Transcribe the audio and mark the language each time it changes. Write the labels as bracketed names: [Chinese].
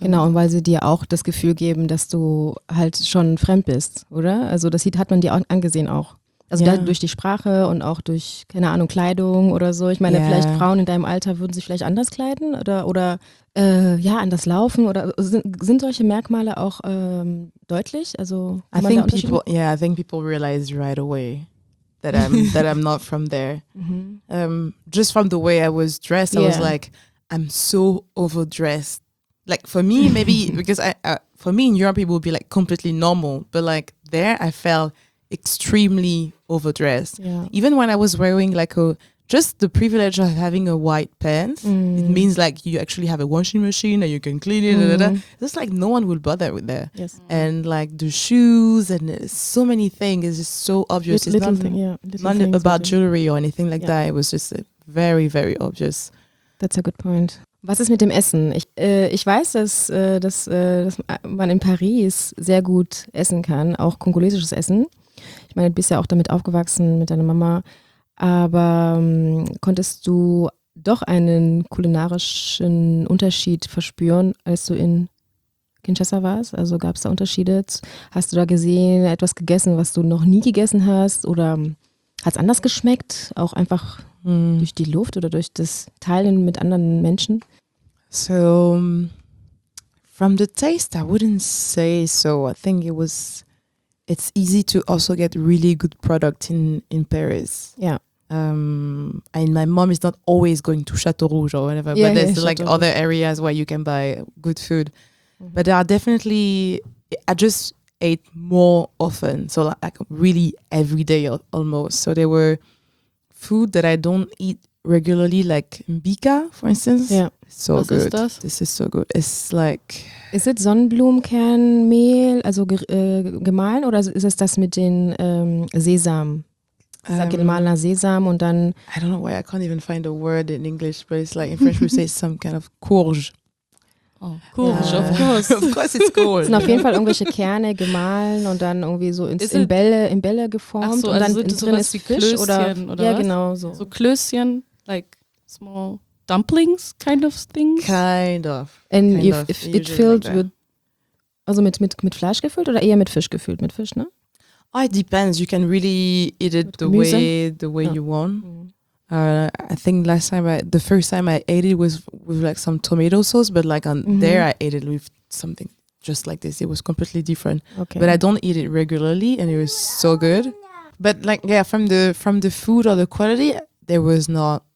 [German] genau, und weil sie dir auch das Gefühl geben, dass du halt schon fremd bist, oder? Also das hat man dir auch angesehen auch. Also ja. Durch die Sprache und auch durch, keine Ahnung, Kleidung oder so. Ich meine, vielleicht Frauen in deinem Alter würden sich vielleicht anders kleiden oder anders laufen. Oder sind solche Merkmale auch deutlich? Also [English] I think people realize right away that I'm not from there. Mm-hmm. Just from the way I was dressed, I was like, I'm so overdressed. Like for me, maybe because for me in Europe, it would be like completely normal. But like there, I felt extremely overdressed. Yeah. Even when I was wearing like just the privilege of having a white pants, it means like you actually have a washing machine and you can clean it. Mm. It's like no one will bother with that. Yes. And like the shoes and so many things is just so obvious. It's not about jewelry or anything like that. It was just very, very obvious. That's a good point. [German] Was ist mit dem Essen? Ich weiß, dass man in Paris sehr gut essen kann, auch kongolesisches Essen. Ich meine, du bist ja auch damit aufgewachsen mit deiner Mama. Aber konntest du doch einen kulinarischen Unterschied verspüren, als du in Kinshasa warst? Also gab es da Unterschiede? Hast du da gesehen, etwas gegessen, was du noch nie gegessen hast? Oder hat es anders geschmeckt? Auch einfach durch die Luft oder durch das Teilen mit anderen Menschen? [English] So, from the taste, I wouldn't say so. I think it's easy to also get really good product in Paris. Yeah. And my mom is not always going to Chateau Rouge or whatever, but there's like other areas where you can buy good food. Mm-hmm. But there are definitely, I just ate more often, so like really every day almost. So there were food that I don't eat regularly, like mbika, for instance. Yeah. So was good. [German] Ist das? [English] This is so good. It's like... Is it [German] Sonnenblumenkernmehl, also gemahlen, oder ist es das mit den Sesam? Gemahlener Sesam und dann... [English] I don't know why, I can't even find a word in English, but it's like, in French we say some kind of courge. Oh, courge, cool. Of course. Of course it's courge. Cool. [German] Es sind auf jeden Fall irgendwelche Kerne gemahlen und dann irgendwie so in Bälle geformt. Ach so, und dann also in drin ist Fisch oder ja, was? Genau so. [English] So Klößchen, like small dumplings kind of things? Kind of. And kind if it filled like with, [German] also mit Fleisch gefüllt oder eher mit Fisch gefüllt? Mit Fisch, ne? [English] Oh, it depends. You can really eat it the way you want. Mm-hmm. I think the first time I ate it was with like some tomato sauce, but like there I ate it with something just like this. It was completely different. Okay. But I don't eat it regularly and it was so good. But like, yeah, from the food or the quality, there was not